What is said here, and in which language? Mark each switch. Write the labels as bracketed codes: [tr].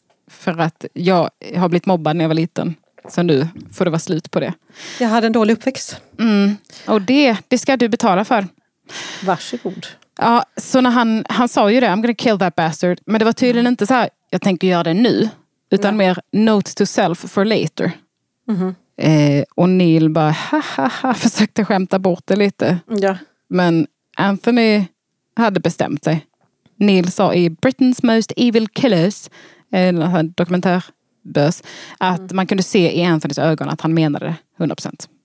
[sv] För att jag har blivit mobbad när jag var liten. Så nu får det vara slut på det. Jag hade en dålig uppväxt. Mm. Och det ska du betala för. Varsågod. Ja, så när han sa ju det, [en] I'm gonna kill that bastard. [sv] Men det var tydligen inte så här, jag tänker göra det nu. Utan mer, [en] note to self for later. [sv] Och Neil bara, hahaha, försökte skämta bort det lite. Ja. Men Anthony hade bestämt sig. Neil sa i Britain's Most Evil Killers, en dokumentärbös, att man kunde se i Anthonys ögon att han menade det 100%.